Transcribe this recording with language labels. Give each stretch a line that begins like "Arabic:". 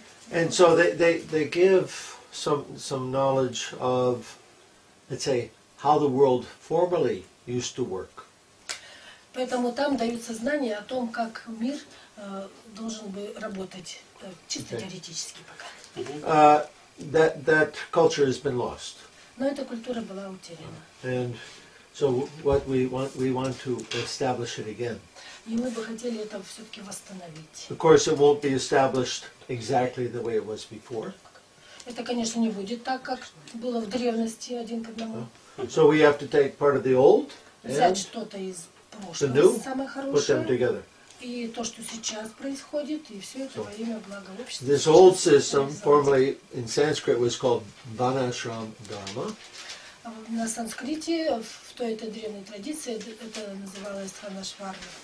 English: And so they give some knowledge of, let's say, how the world formerly used to work.
Russian: Поэтому там даются знания о том, как мир должен бы работать чисто теоретически пока.
English: That culture has been lost.
Russian: Но эта культура была утеряна.
English: And so what we want to establish it again.
Russian: И мы бы хотели это все-таки восстановить.
English: Of course, it won't be established exactly the way it was before.
Russian: Это, конечно, не будет так, как было в древности один к одному.
English: So we have to take part of the old and
Russian: взять что-то из прошлого, самое хорошее,
English: put them together.
Russian: И то, что сейчас происходит, и все это во имя блага общества.
English: This old system, formerly in Sanskrit, was called Vanashram Dharma.
Russian: На санскрите, в той этой древней традиции, это называлось Ванашрам.